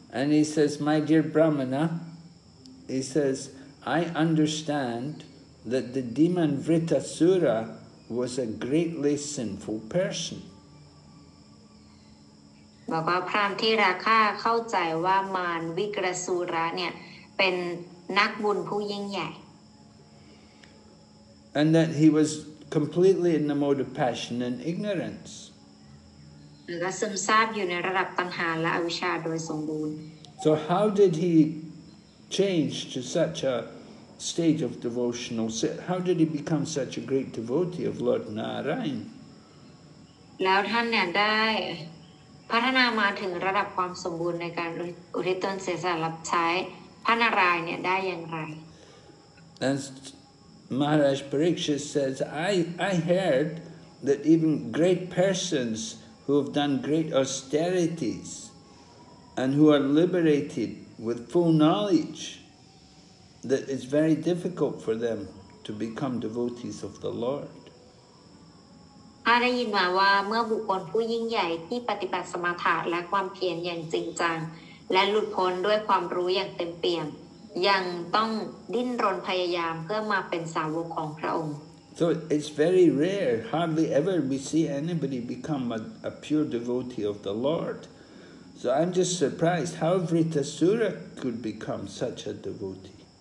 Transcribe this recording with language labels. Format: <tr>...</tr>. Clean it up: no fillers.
<en>And he says, my dear Brahmana, he says, I understand that the demon Vritasura was a greatly sinful person.</en> <th>บอกว่าพราหมณ์ที่ราคาเข้าใจว่ามารวิกรสุระเนี่ยเป็นนักบุญผู้ยิ่งใหญ่</th> <en>And that he was completely in the mode of passion and ignorance.</en> <th>แล้วก็ซึมซาบอยู่ในระดับตัณหาและอวิชชาโดยสมบูรณ์</th> <en>So how did he change to such a stage of devotional set? How did he become such a great devotee of Lord Narayan?</en> <th>แล้วท่านเนี่ยได้พัฒนามาถึงระดับความสมบูรณ์ในการอุทิศตนเสียสละรับใช้พระนารายณ์เนี่ยได้อย่างไร</th> <en>And Maharaj Parikshit says, I heard that even great persons who have done great austerities and who are liberated with full knowledge that it's very difficult for them to become devotees of the Lord.</en> <th>ข้าได้ยินมาว่าเมื่อบุคคลผู้ยิ่งใหญ่ที่ปฏิบัติสมถะและความเพียรอย่างจริงจังและหลุดพ้นด้วยความรู้อย่างเต็มเปี่ยมยังต้องดิ้นรนพยายามเพื่อมาเป็นสาวกของพระองค์</th> <en>So it's very rare, hardly ever we see anybody become a pure devotee of the Lord. So I'm just surprised how Vritasura could become such a devotee.</en>